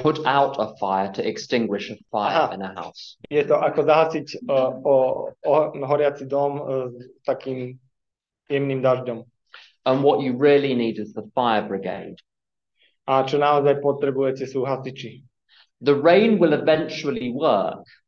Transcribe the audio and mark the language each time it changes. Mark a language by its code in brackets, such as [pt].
[en] Put out a fire to extinguish a fire. Aha. In a house. [sk] Je to ako zahasiť horiaci dom takým jemným dažďom. [en] And what you really need is the fire brigade. [sk] A čo naozaj potrebujete sú hasiči. [en] The rain will eventually work.